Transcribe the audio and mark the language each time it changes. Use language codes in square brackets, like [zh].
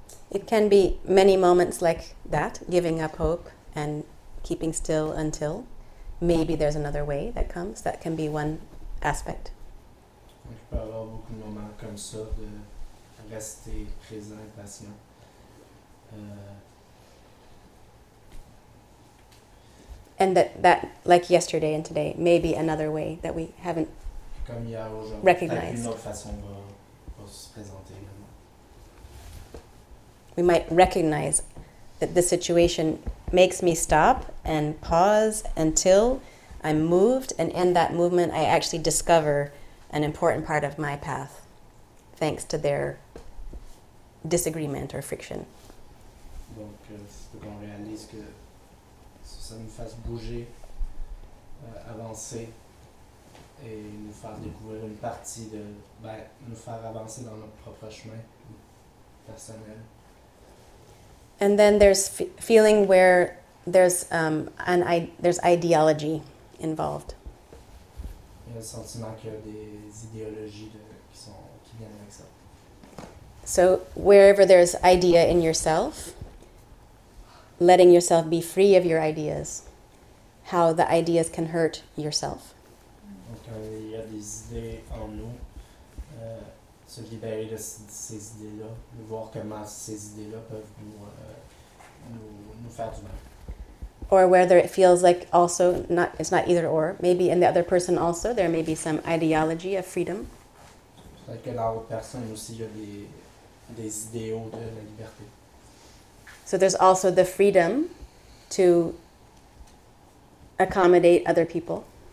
[en] It can be many moments like that, giving up hope and keeping still until maybe there's another way that comes. That can be one aspect. [fr] Il peut y avoir beaucoup de moments comme ça, de rester présent et patient. [en] And that, like yesterday and today, maybe another way that we haven't recognized. [fr] Comme hier aujourd'hui, peut-être une autre façon va se présenter. [en] We might recognize that the situation makes me stop and pause until I'm moved, and in that movement, I actually discover an important part of my path, thanks to their disagreement or friction. [fr] Donc, c'est quand on réalise que ça nous fasse bouger, avancer, et nous faire découvrir une partie de, ben, nous faire avancer dans notre propre chemin personnel. [en] And then there's feeling where there's there's ideology involved. [fr] Il y a le sentiment qu'il y a des idéologies de, qui viennent avec ça. [en] So wherever there's idea in yourself, letting yourself be free of your ideas, how the ideas can hurt yourself. [fr] Donc il y a des idées en nous, se libérer de ces idées-là, de voir comment ces idées-là peuvent nous, nous faire du mal. [en] Or whether it feels like also, not it's not either or, maybe in the other person also, there may be some ideology of freedom. [fr] Peut-être que dans l'autre personne aussi, il y a des idéaux de la liberté. [en] So there's also the freedom to accommodate other people.